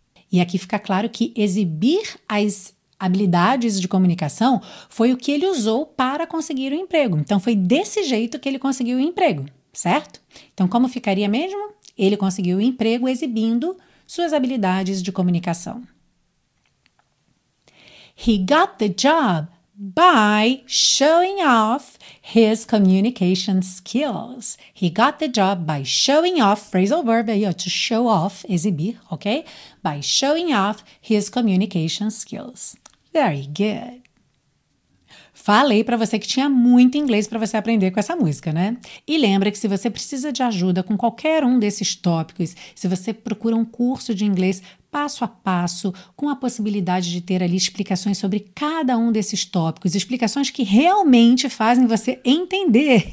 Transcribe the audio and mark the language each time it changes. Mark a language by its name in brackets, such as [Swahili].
[Portuguese] E aqui fica claro que exibir as habilidades de comunicação foi o que ele usou para conseguir o emprego. Então, foi desse jeito que ele conseguiu o emprego, certo? Então, como ficaria mesmo? Ele conseguiu o emprego exibindo suas habilidades de comunicação. [English] He got the job by showing off his communication skills. He got the job by showing off, phrasal verb aí, to show off, exibir, ok? By showing off his communication skills. Very good. [Portuguese] Falei para você que tinha muito inglês para você aprender com essa música, né? E lembra que se você precisa de ajuda com qualquer um desses tópicos, se você procura um curso de inglês passo a passo, com a possibilidade de ter ali explicações sobre cada um desses tópicos, explicações que realmente fazem você entender.